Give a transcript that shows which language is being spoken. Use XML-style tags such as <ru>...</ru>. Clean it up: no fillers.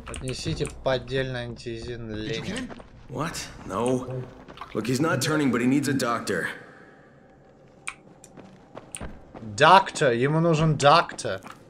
<ru>Отнесите поддельный антизин Лене.</ru> <en>What? No. Look, he's not turning, but he needs a doctor.</en> <ru>Доктор, ему нужен доктор.</ru>